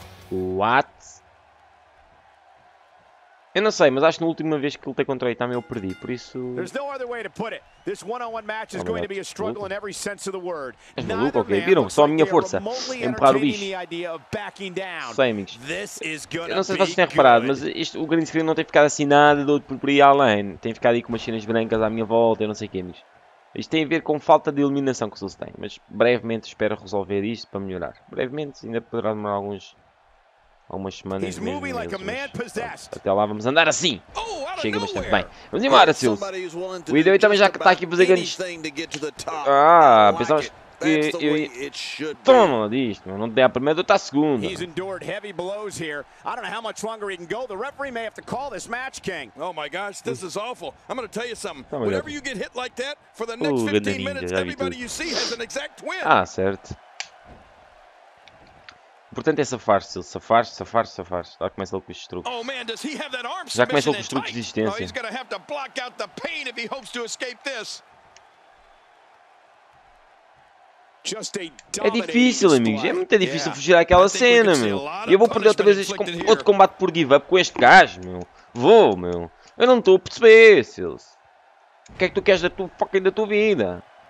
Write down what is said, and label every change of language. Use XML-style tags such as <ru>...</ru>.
<en>What?</en> <pt>Eu não sei, mas acho que na última vez que lutei contra o Itami eu perdi, por isso...</pt> <en>There's no other way to put it. This one-on-one match is going to be a struggle in every sense of the word.</en> <pt>És maluco, ok? Viram? Só a minha força. Empurrar o bicho. Sei, amigos. Eu não sei se vocês têm reparado, mas isto, o green screen não tem ficado assim nada do outro por aí além. Tem ficado aí com umas cenas brancas à minha volta, eu não sei o que, amigos. Isto tem a ver com falta de iluminação que o Sul tem, mas brevemente espero resolver isto para melhorar. Brevemente, ainda poderá demorar algumas semanas mesmo, mas até lá vamos andar assim. Chega bastante bem. Vamos embora, Sil. O Hideo também já está aqui a fazer grandes... Ah, pensamos que eu... Toma disto, não dei a primeira, eu estou a segunda.</pt> <en>Ele endured heavy blows here. I don't know how much longer he can go. The referee may have to call this match, King. Oh my gosh, this is awful. I'm gonna tell you something. Whenever you get hit like that, for the next 15 minutes, everybody you see has an exact win.</en> <pt>Ah, certo. Portanto, é safar-se, safar-se, safar-se, safar-se. Já começa ele com os truques.</pt> <en>Oh man, does he have that arm submission?</en> <pt>Já começa ele com os truques de existência.</pt> <en>Oh, he's gonna have to block out the pain if he hopes to escape this.</en> <pt>É difícil, amigos, é muito difícil fugir daquela cena, meu. E eu vou perder outra vez este outro combate por give-up com este gajo, meu. Vou, meu. Eu não estou a perceber, Sils. O que é que tu queres da tua fucking da tua vida?</pt>